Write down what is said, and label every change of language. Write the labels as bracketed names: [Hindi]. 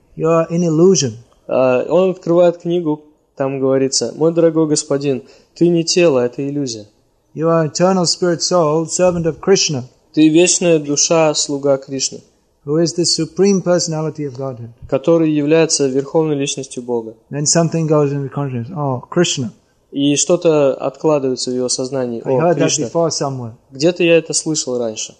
[English] You're an illusion." [Russian] Он открывает книгу, там говорится, мой дорогой господин, ты не тело, это иллюзия. [English] You are eternal spirit soul, servant of Krishna. [Russian] Ты вечная душа, слуга Кришны. [English] Who is the supreme personality of Godhead. [Russian] Который является верховной личностью Бога. [English] Then something goes in the consciousness, oh, Krishna. [Russian] И что-то откладывается в его сознании, о, Кришна. Где-то я это слышал раньше.